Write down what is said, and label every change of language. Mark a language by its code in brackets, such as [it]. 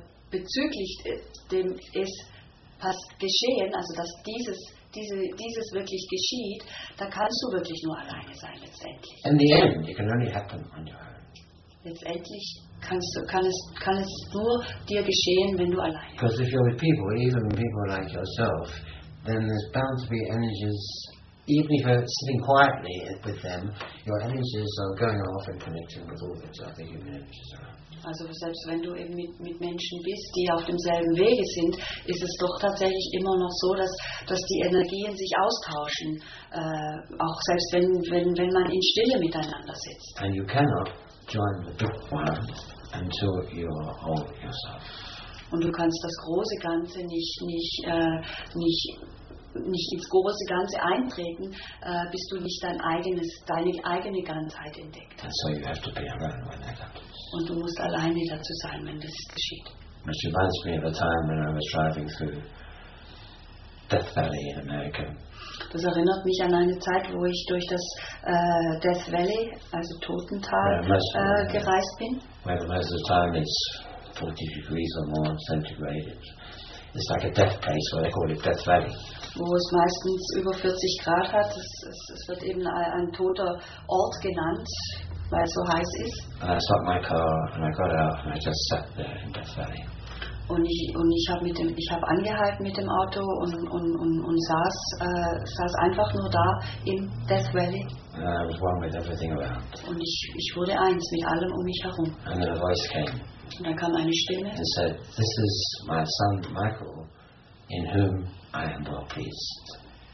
[de] Bezüglich dem ist was geschehen, also dass dieses wirklich geschieht, da kannst du wirklich nur alleine sein letztendlich. [en] In the end, it can only happen on your own. [de] Letztendlich kann es nur dir geschehen, wenn du alleine bist. [en] Because if you're with people, even people like yourself, then there's bound to be energies. Even if you're sitting quietly with them, your energies are going off and connecting with all the other human energies around. [de] Also selbst wenn du eben mit Menschen bist, die auf demselben Wege sind, ist es doch tatsächlich immer noch so, dass die Energien sich austauschen, auch selbst wenn man in Stille miteinander sitzt. [en] And you cannot join the big one until you're all yourself. [de] Und du kannst das große Ganze nicht ins große Ganze eintreten, bis du nicht deine eigene Ganzheit entdeckt hast. [en] So you have to be alone when that happens. [de] Und du musst alleine dazu sein, wenn das geschieht. [en] Which reminds me of a time when I was driving through Death Valley in America. [de] Das erinnert mich an eine Zeit, wo ich durch das Death Valley, also Totental, gereist bin. [en] Where most of the time is 40 degrees or more centigrade. It's like a death place, where they call it Death Valley. [de] Wo es meistens über 40 Grad hat, es wird eben ein toter Ort genannt, weil es so heiß ist. [en] And I stopped my car and I got out and I just sat there in Death Valley. [de] Und ich habe angehalten mit dem Auto und saß einfach nur da im Death Valley. [en] And I was one with everything around. [de] Und ich wurde eins mit allem um mich herum. [en] And then a voice came. [de] Und dann kam eine Stimme. [en] And said, "This is my son Michael, in whom I am well pleased."